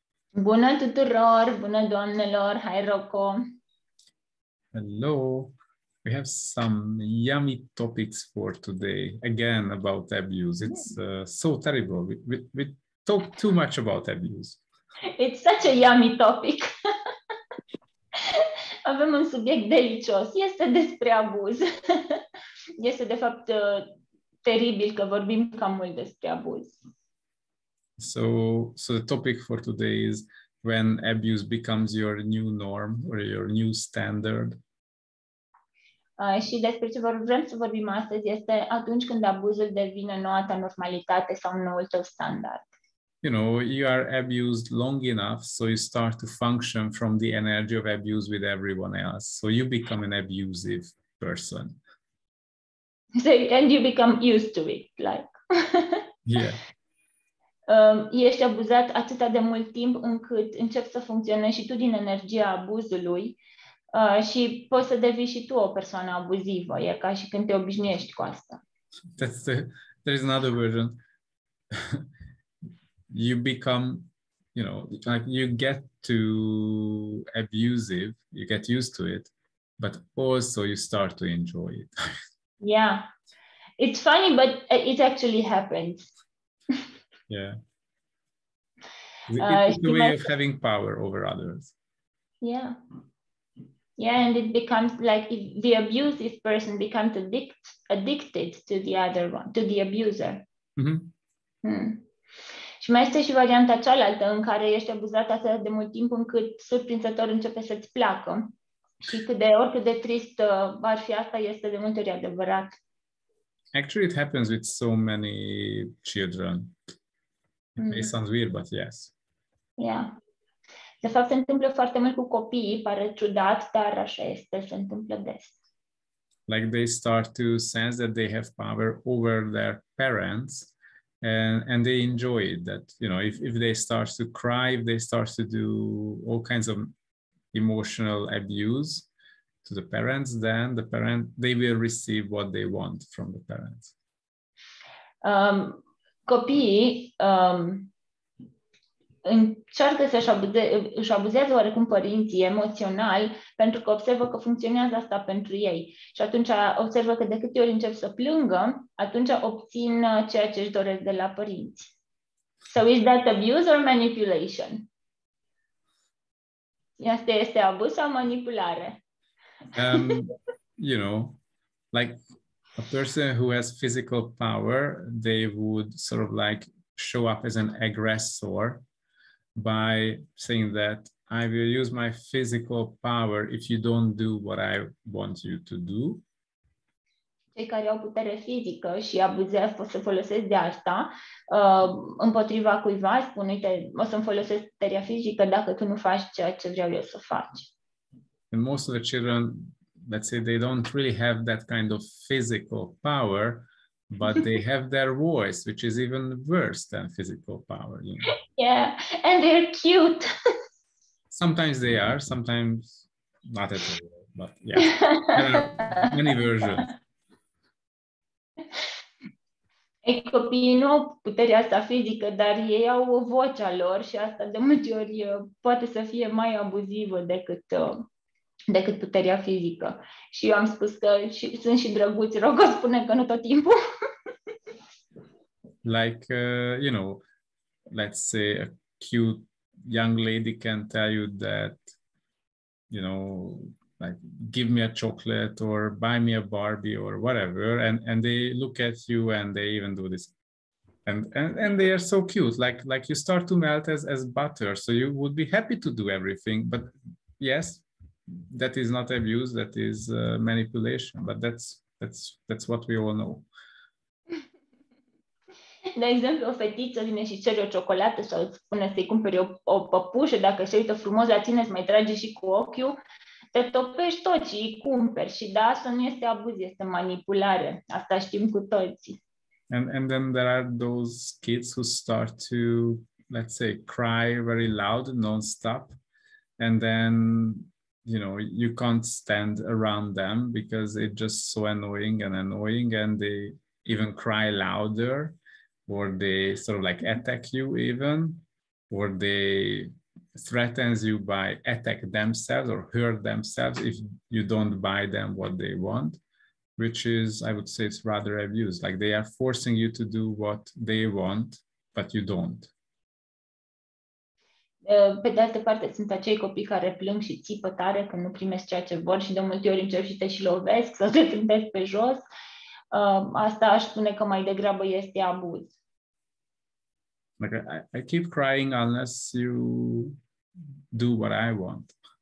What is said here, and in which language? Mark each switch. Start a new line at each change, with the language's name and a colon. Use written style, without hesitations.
Romanian: Bună tuturor, bună doamnelor, hi Rocco.
English: Hello, we have some yummy topics for today, again about abuse. It's so terrible, we talk too much about abuse. It's such a yummy topic.
Romanian: Avem un subiect delicios, este despre abuz. Este de fapt teribil că vorbim cam mult despre abuz.
English: So the topic for today is when abuse becomes your new norm or your new standard.
Romanian: Și despre ce vrem să vorbim astăzi este atunci când abuzul devine noua ta normalitate sau noul tău standard.
English: You know, you are abused long enough, so you start to function from the energy of abuse with everyone else. So you become an abusive person. So, and you become used to it, like. Yeah.
Romanian: Ești abuzat atâta de mult timp încât începi să funcționezi și tu din energia abuzului și poți să devii și tu o persoană abuzivă. E ca și când te obișnuiești cu asta.
English: There's another version. You become, you know, like you get to abusive, you get used to it, but also you start to enjoy it. Yeah. It's funny, but it actually happens. Yeah. It's the way of having power over others. Yeah. Yeah, and it becomes like if the abusive person becomes addicted to the other one, to the abuser.
Romanian: Și mai este și varianta cealaltă în care ești abuzat atât de mult timp încât surprinzător începe să-ți placă. Și cât de oricât de trist ar fi asta, este de multe ori adevărat.
English: Actually, it happens with so many children. It sounds weird, but yes. Yeah.
Romanian: De fapt, se întâmplă foarte mult cu copiii, pare ciudat, dar așa este, se întâmplă des.
English: Like they start to sense that they have power over their parents and they enjoy it, that, you know, if they start to cry, if they start to do all kinds of emotional abuse to the parents, then the parent, they will receive what they want from the parents.
Romanian: Copiii încearcă să își abuzează oarecum părinții emoțional pentru că observă că funcționează asta pentru ei. Și atunci observă că de câte ori încep să plângă, atunci obțin ceea ce își doresc de la părinți.
English: So is that abuse or manipulation?
Romanian: Asta este abuz sau manipulare?
English: You know, like a person who has physical power, they would sort of like show up as an aggressor by saying that I will use my physical power if you don't do what I want you to do.
Romanian: Cei care au putere fizică și abuzează pot să folosesc de asta împotriva cuiva, spun, uite, o să-mi folosesc puterea fizică dacă tu nu faci ceea ce vreau eu să faci.
English: And most of the children, let's say they don't really have that kind of physical power, but they have their voice, which is even worse than physical power. You know? Yeah, and they're cute. Sometimes they are, sometimes not at all, but yeah, there are many versions.
Romanian: Ei, copiii nu au puterea asta fizică, dar ei au vocea lor și asta de multe ori poate să fie mai abuzivă decât decât puterea fizică. Și eu am spus că și, sunt și drăguți, rog o spune că nu tot timpul.
English: Like, you know, let's say a cute young lady can tell you that, you know, like, give me a chocolate or buy me a Barbie or whatever, and they look at you and they even do this. And they are so cute, like you start to melt as butter, so you would be happy to do everything, but yes, that is not abuse, that is manipulation, but that's what we all know.
Romanian: De exemplu, o fetiță vine și cere o ciocolată sau îți spune să-i cumperi o păpușă, dacă se uită frumos la tine, îți mai trage și cu ochiul, te topești tot și îi cumperi. Și da, asta nu este abuz, este manipulare. Asta știm cu toții.
English: And then there are those kids who start to, let's say, cry very loud, non-stop, and then, you know, you can't stand around them because it's just so annoying and they even cry louder or they sort of like attack you even, or they threatens you by attack themselves or hurt themselves if you don't buy them what they want, which is, I would say, it's rather abuse. Like they are forcing you to do what they want, but you don't.
Romanian: Pe de altă parte, sunt acei copii care plâng și țipă tare când nu primesc ceea ce vor și de multe ori încerc și te și lovesc sau te trântesc pe jos. Asta aș spune că mai degrabă este abuz.
English: Like I keep crying unless you do what I want.